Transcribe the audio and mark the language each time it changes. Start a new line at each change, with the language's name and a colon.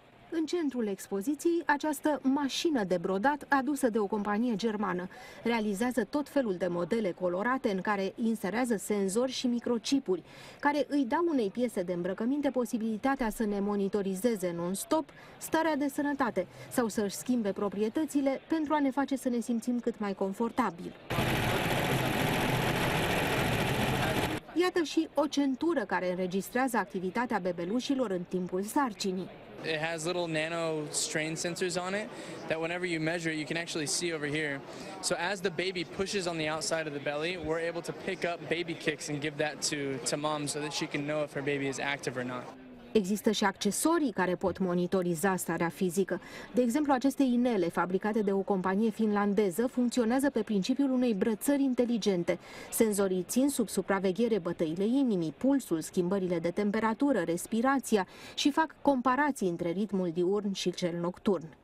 Romanian: În centrul expoziției, această mașină de brodat adusă de o companie germană realizează tot felul de modele colorate în care inserează senzori și microchipuri, care îi dau unei piese de îmbrăcăminte posibilitatea să ne monitorizeze non-stop starea de sănătate sau să își schimbe proprietățile pentru a ne face să ne simțim cât mai confortabil. Iată și o centură care înregistrează activitatea bebelușilor în timpul sarcinii.
English: It has little nano strain sensors on it that whenever you measure it, you can actually see over here. So as the baby pushes on the outside of the belly, we're able to pick up baby kicks and give that to mom so that she can know if her baby is active or not.
Romanian: Există și accesorii care pot monitoriza starea fizică. De exemplu, aceste inele, fabricate de o companie finlandeză, funcționează pe principiul unei brățări inteligente. Senzorii țin sub supraveghere bătăile inimii, pulsul, schimbările de temperatură, respirația și fac comparații între ritmul diurn și cel nocturn.